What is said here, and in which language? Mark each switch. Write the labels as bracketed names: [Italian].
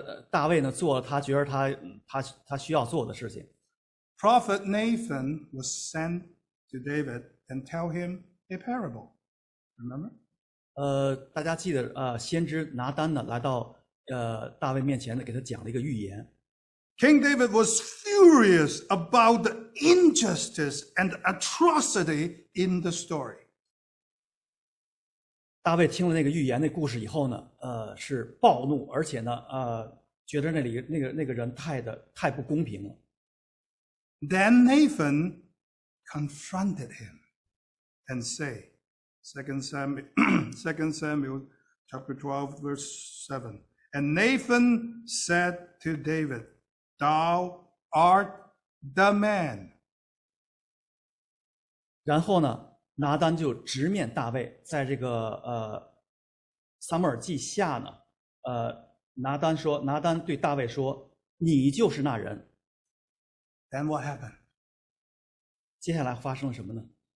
[Chinese] 大卫呢做了他觉得他需要做的事情。 [English] Prophet Nathan was sent to David and tell him a parable. Remember? [Chinese] 大家记得先知拿单呢来到大卫面前呢给他讲了一个预言。 [English] King David was furious about the injustice and atrocity in the story. [Chinese] 大卫听了那个预言那故事以后呢是暴怒，而且呢觉得那个人太不公平了。 [English] Then Nathan confronted him and say, Second Samuel chapter 12 verse 7, and Nathan said to David, thou art the man. [Chinese] 然后呢拿单就直面大卫，在这个撒母耳记下呢，拿单对大卫说：“你就是那人。” [English] Then what happened? [Chinese] 接下来发生了什么呢